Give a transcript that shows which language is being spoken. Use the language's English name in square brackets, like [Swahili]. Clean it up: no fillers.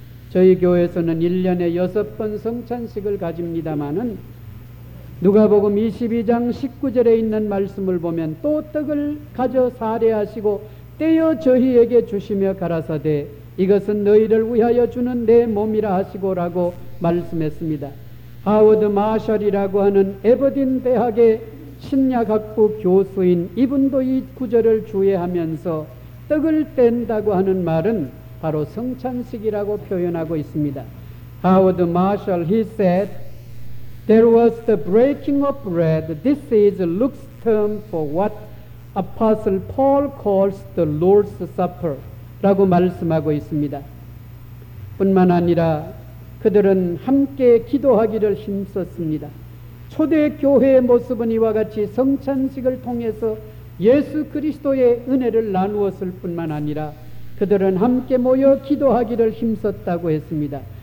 [Korean] 저희 교회에서는 1년에 6번 성찬식을 가집니다만은 누가복음 22장 19절에 있는 말씀을 보면 또 떡을 가져 사례하시고 떼어 저희에게 주시며 가라사대 이것은 너희를 위하여 주는 내 몸이라 하시고라고 말씀했습니다. 하워드 마셜이라고 하는 에버딘 대학의 신약학부 교수인 이분도 이 구절을 주의하면서 떡을 뗀다고 하는 말은 바로 성찬식이라고 표현하고 있습니다. [English] 하워드 마셜, he said, There was the breaking of bread. This is Luke's term for what Apostle Paul calls the Lord's Supper. [Korean] 라고 말씀하고 있습니다. 뿐만 아니라 그들은 함께 기도하기를 힘썼습니다. 초대교회의 모습은 이와 같이 성찬식을 통해서 예수 그리스도의 은혜를 나누었을 뿐만 아니라 그들은 함께 모여 기도하기를 힘썼다고 했습니다.